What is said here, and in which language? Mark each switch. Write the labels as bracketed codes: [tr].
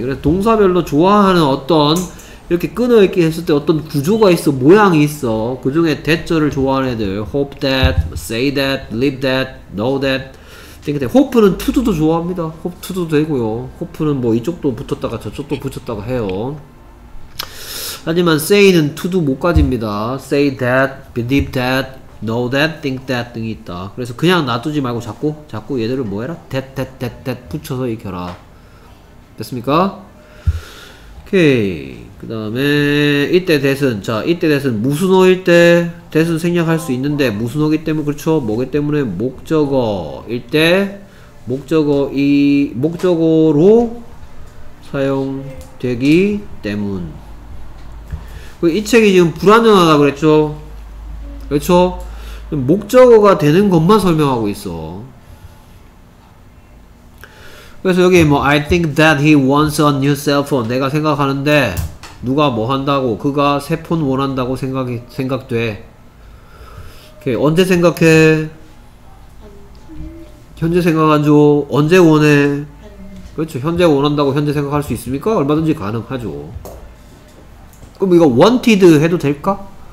[ko] 그래서 동사별로 좋아하는 어떤 이렇게 끊어있게 했을 때 어떤 구조가 있어, 모양이 있어. 그 중에 대절을 좋아하는 애들 [en] hope that, say that, believe that, know that [ko] 호프는 투두도 좋아합니다. 호프투도 되고요. 호프는 뭐 이쪽도 붙었다가 저쪽도 붙였다가 해요. 하지만 say는 투두 못 가집니다. [en] say that, believe that, know that, think that [ko] 등이 있다. 그래서 그냥 놔두지 말고 자꾸 얘들을 뭐 해라? that 붙여서 익혀라. 됐습니까? 오케이. 그 다음에 이때 that은, 자 이때 that은 무순어일 때 that은 생략할 수 있는데 무순어기 때문에, 그렇죠? 뭐기 때문에 목적어일 때 목적어로 사용되기 때문. 이 책이 지금 불완전하다 그랬죠? 그렇죠? 목적어가 되는 것만 설명하고 있어. 그래서 여기 뭐 [en] I think that he wants a new cell phone. [ko] 내가 생각하는데 누가 뭐 한다고, 그가 새 폰 원한다고 생각돼. 오케이. 언제 생각해? 현재 생각하죠. 언제 원해? 그렇죠. 현재 원한다고 현재 생각할 수 있습니까? 얼마든지 가능하죠. 그럼 이거 wanted 해도 될까?